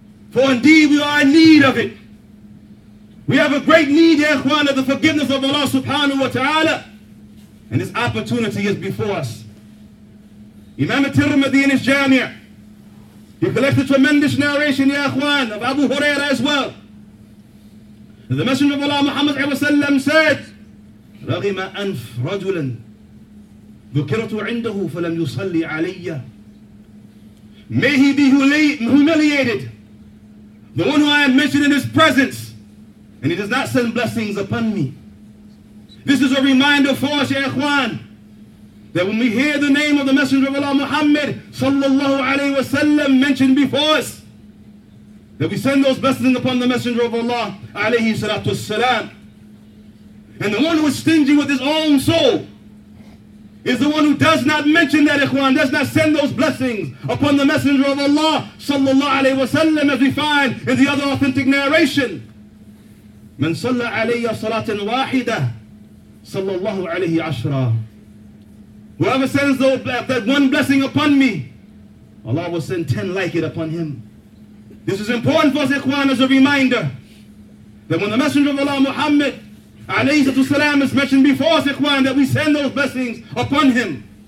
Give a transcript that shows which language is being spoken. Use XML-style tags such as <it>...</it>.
<en>For indeed we are in need of it. We have a great need, ya ikhwan, of the forgiveness of Allah subhanahu wa ta'ala. And this opportunity is before us. Imam al-Tirmidhi in his Jami', he collects a tremendous narration, ya ikhwan, of Abu Huraira as well. And the Messenger of Allah Muhammad said,</en> <ar>رغم أنف رجلا ذكرت عنده فلم يصلي علي.</ar> <en>May he be humiliated, the one who I am mentioned in his presence, and he does not send blessings upon me. This is a reminder for us, ya ikhwan, that when we hear the name of the Messenger of Allah Muhammad sallallahu alayhi wa sallam mentioned before us, that we send those blessings upon the Messenger of Allah alayhi salatu wassalam. And the one who is stingy with his own soul is the one who does not mention that, ikhwan, does not send those blessings upon the Messenger of Allah sallallahu alayhi wa sallam, as we find in the other authentic narration.</en> <ar>من صلى علي صلاة واحدة صلى الله عليه عشرة.</ar> <en>Whoever sends that one blessing upon me, Allah will send 10 like it upon him. This is important for us, ikhwan, as a reminder that when the Messenger of Allah Muhammad alayhi salam is mentioned before us, ikhwan, that we send those blessings upon him.</en>